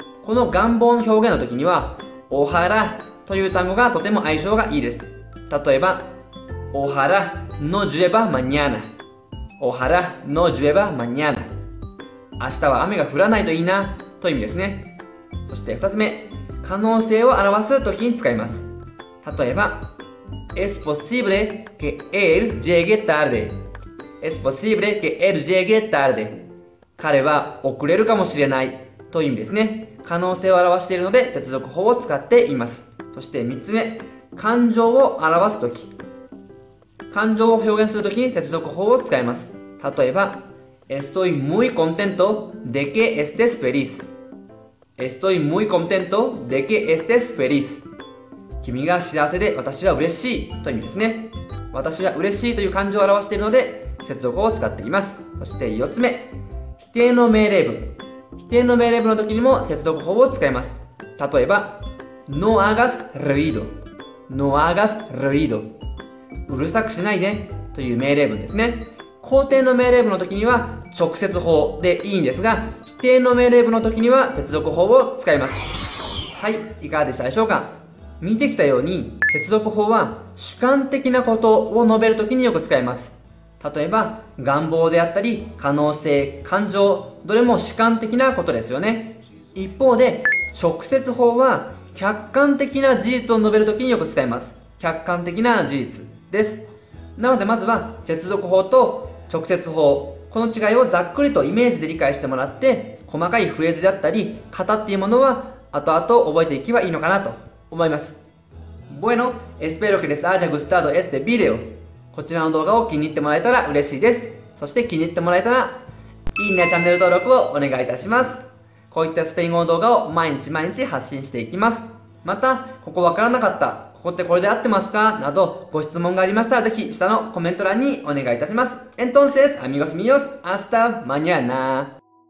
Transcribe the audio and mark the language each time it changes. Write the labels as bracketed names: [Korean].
[Japanese] この願望の表現の時にはお祓という単語がとても相性がいいです。例えばお祓のジュエバマニアナ。お祓のジュエバマニアナ。明日は雨が降らないといいなという意味ですね。そして二つ目、可能性を表すときに使います。例えば、 [Spanish] Es posible que él llegue tarde。 Es posible que él llegue tarde。 [Japanese] 彼は遅れるかもしれないという意味ですね。可能性を表しているので接続法を使っています。そして三つ目、感情を表すとき。感情を表現するときに接続法を使います。例えば、 [Spanish] Estoy muy contento de que estés feliz。 Estoy muy contento de que estés feliz。 [Japanese] 君が幸せで私は嬉しいという意味ですね。私は嬉しいという感情を表しているので接続法を使っています。そして四つ目、否定の命令文。否定の命令文のときにも接続法を使います。例えば、 [Spanish] No hagas ruido。 No hagas ruido。 [Japanese] うるさくしないでという命令文ですね。肯定の命令文の時には直接法でいいんですが、否定の命令文の時には接続法を使います。はい、いかがでしたでしょうか。見てきたように接続法は主観的なことを述べる時によく使います。例えば願望であったり可能性、感情、どれも主観的なことですよね。一方で直接法は客観的な事実を述べる時によく使います。客観的な事実です。なのでまずは接続法と直接法、この違いをざっくりとイメージで理解してもらって、細かいフレーズであったり型っていうものは後々覚えていけばいいのかなと思います。 [Spanish] Bueno, espero que les haya gustado este video。 [Japanese] こちらの動画を気に入ってもらえたら嬉しいです。そして気に入ってもらえたらいいね、チャンネル登録をお願いいたします。こういったスペイン語の動画を毎日毎日発信していきます。またここわからなかった、ここってこれで合ってますかなど、ご質問がありましたらぜひ下のコメント欄にお願いいたします。 [Spanish] Entonces, amigos míos, hasta mañana!